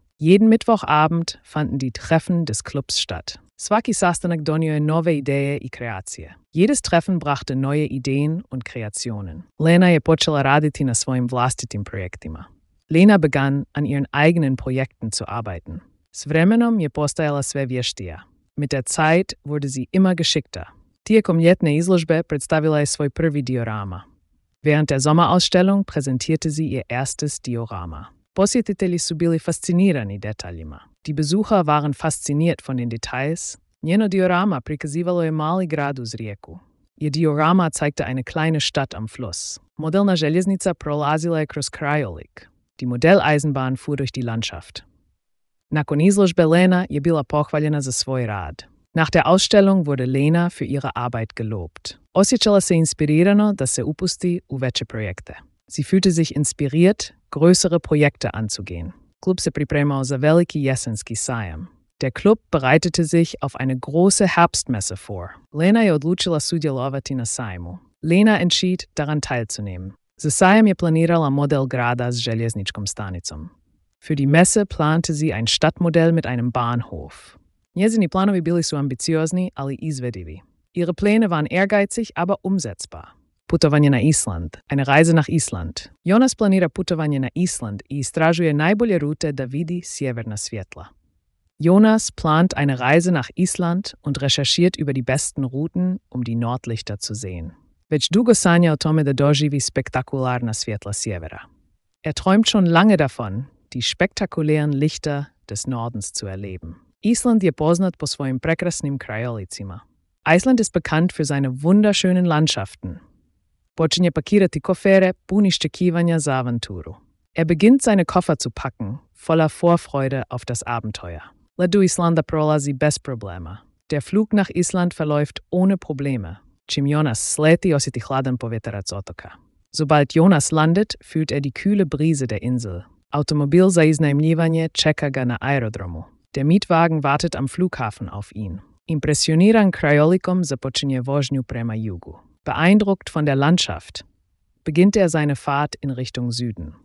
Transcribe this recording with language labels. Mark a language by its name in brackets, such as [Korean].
[German] Jeden Mittwochabend fanden die Treffen des Clubs statt. [Croatian] Svaki sastanak donio je nove ideje i kreacije. [German] Jedes Treffen brachte neue Ideen und Kreationen. [Croatian] Lena je počela raditi na svojim vlastitim projektima. [German] Lena begann, an ihren eigenen Projekten zu arbeiten. [Croatian] S vremenom je postajala sve vještija. [German] Mit der Zeit wurde sie immer geschickter. [Croatian] Tijekom ljetne izložbe predstavila je svoj prvi diorama. [German] Während der Sommerausstellung präsentierte sie ihr erstes Diorama. [Croatian] Posjetitelji su bili fascinirani detaljima. [German] Die Besucher waren fasziniert von den Details. [Croatian] Njeno diorama prikazivalo je mali grad uz rijeku. [German] Ihr diorama zeigte eine kleine Stadt am Fluss. [Croatian] Modelna željeznica prolazila je kroz krajolik. [German] Die Modelleisenbahn fuhr durch die Landschaft. [Croatian] Nakon izložbe Lena je bila pohvaljena za svoj rad. [German] Nach der Ausstellung wurde Lena für ihre Arbeit gelobt. [Croatian] Osjećala se inspirirano da se upusti u veće projekte. [German] Sie fühlte sich inspiriert, größere Projekte anzugehen. [Croatian] Klub se pripremao za veliki jesenski sajam. [German] Der Club bereitete sich auf eine große Herbstmesse vor. [Croatian] Lena je odlučila sudjelovati na sajmu. [German] Lena entschied, daran teilzunehmen. [Croatian] Za sajam je planirala model grada s željezničkom stanicom. [German] Für die Messe plante sie ein Stadtmodell mit einem Bahnhof. [Croatian] Njezini planovi bili su ambiciozni, ali izvedivi. [German] Ihre Pläne waren ehrgeizig, aber umsetzbar. [Croatian] Putovanje na Island. [German] Eine Reise nach Island. [Croatian] Jonas planira putovanje na Island i istražuje najbolje rute da vidi sjeverna svjetla. [German] Jonas plant eine Reise nach Island und recherchiert über die besten Routen, um die Nordlichter zu sehen. [Croatian] Već dugo sanja o tome da doživi spektakularna svjetla sjevera. [German] Er träumt schon lange davon, die spektakulären Lichter des Nordens zu erleben. [Croatian] Island je poznat po svojim prekrasnim krajolicima. [German] Island ist bekannt für seine wunderschönen Landschaften. [Croatian] Počinje pakirati kofere, pun iščekivanja za avanturu. [German] Er beginnt seine Koffer zu packen, voller Vorfreude auf das Abenteuer. [Croatian] Let du Islanda prolazi bez problema. [German] Der Flug nach Island verläuft ohne Probleme. [Croatian] Čim Jonas sleti, osjeti hladan povjetarac otoka. [German] Sobald Jonas landet, fühlt die kühle Brise der Insel. [Croatian] Automobil za iznajmljivanje čeka ga na aerodromu. [German] Der Mietwagen wartet am Flughafen auf ihn. [Croatian] Impressioniran krajolikom započinje vožnju prema jugu. [German] Beeindruckt von der Landschaft beginnt seine Fahrt in Richtung Süden.